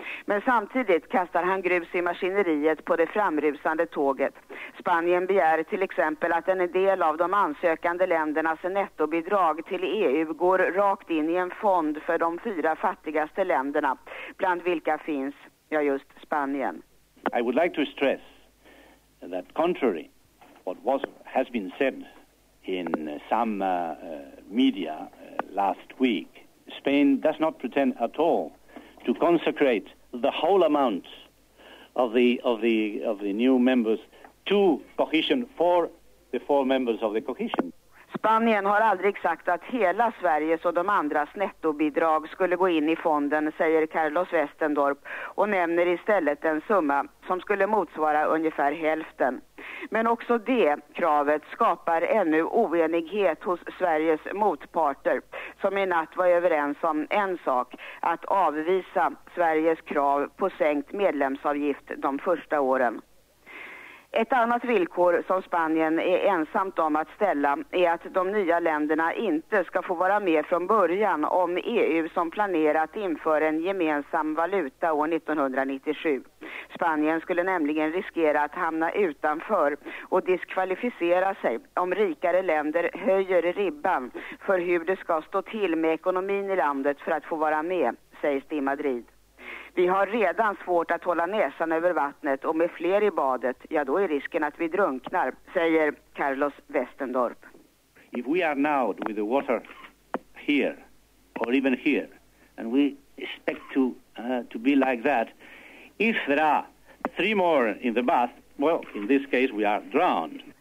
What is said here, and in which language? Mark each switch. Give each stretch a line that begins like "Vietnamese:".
Swedish: Men samtidigt kastar han grus i maskineriet på det framrusande tåget. Spanien begär till exempel att en del av de ansökande ländernas nettobidrag till EU går rakt in i en fond för de fyra fattigaste länderna, bland vilka finns, ja, just Spanien.
English: I would like to stress that contrary what was has been said in some media last week, Spain does not pretend at all to consecrate the whole amount of the new members to cohesion for the four members of the cohesion.
Swedish: Spanien har aldrig sagt att hela Sveriges och de andras nettobidrag skulle gå in i fonden, säger Carlos Westendorp, och nämner istället en summa som skulle motsvara ungefär hälften. Men också det kravet skapar ännu oenighet hos Sveriges motparter, som i natt var överens om en sak, att avvisa Sveriges krav på sänkt medlemsavgift de första åren. Ett annat villkor som Spanien är ensamt om att ställa är att de nya länderna inte ska få vara med från början om EU som planerat inför en gemensam valuta år 1997. Spanien skulle nämligen riskera att hamna utanför och diskvalificera sig om rikare länder höjer ribban för hur det ska stå till med ekonomin i landet för att få vara med, sägs det i Madrid. Vi har redan svårt att hålla näsan över vattnet, och med fler i badet, ja, då är risken att vi drunknar, säger Carlos Westendorp.
English: If we are now with the water here or even here and we expect to be like that, if there are three more in the bath, well, in this case we are drowned.